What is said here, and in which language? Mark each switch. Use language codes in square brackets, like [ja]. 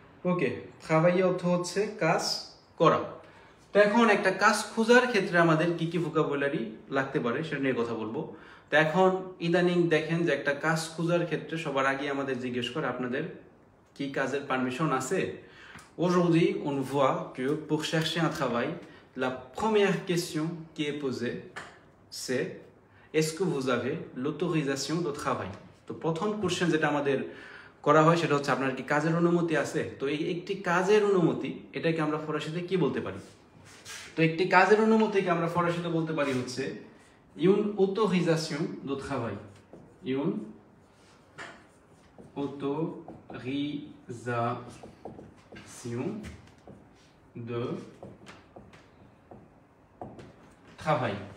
[bn] ওকে, থাভাইয়ে অর্থ হচ্ছে কাজ করা। তো এখন একটা কাজ খোঁজার ক্ষেত্রে আমাদের কি কি ভোকাবুলারি লাগতে পারে সেটা নিয়ে কথা বলবো। তো এখন ইদানিং দেখেন যে একটা কাজ খোঁজার ক্ষেত্রে সবার আগে আমাদের জিজ্ঞেস করে আপনাদের কি কাজের পারমিশন আছে। [fr] Aujourd'hui, on voit que pour chercher un travail, la première question qui est posée, c'est est-ce que vous avez l'autorisation de travail? [bn] তো প্রথম কোশ্চেন যেটা আমাদের করা হয় সেটা হচ্ছে আপনার কি কাজের অনুমতি আছে। তো এই একটি কাজের অনুমতি, এটাকে আমরা ফরাসিতে কি বলতে পারি? তো একটি কাজের অনুমতিকে আমরা ফরাসিতে বলতে পারি হচ্ছে [fr] ইউন অটোরিজেশন দো ট্রাভাই, ইউন অটোরিজেশন দো ট্রাভাই।